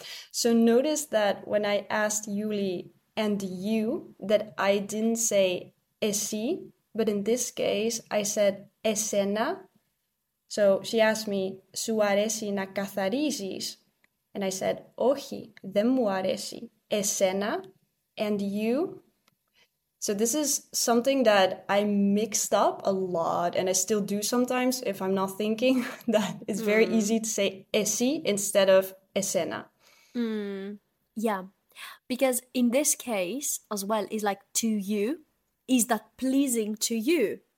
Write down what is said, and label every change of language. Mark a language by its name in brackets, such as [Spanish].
[English] So notice that when I asked Yuli and you, that I didn't say [Greek] εσύ, [English] but in this case, I said [Greek] εσένα. [English] So she asked me, [Greek] σου αρέσει να καθαρίζεις? [English] And I said, [Greek] όχι, δεν μου αρέσει. Εσένα [English] and you. So this is something that I mixed up a lot, and I still do sometimes if I'm not thinking, that it's very easy to say [Greek] εσύ [English] instead of [Greek] εσένα. [English] Yeah, because in this case as well, is like to you, is that pleasing to you?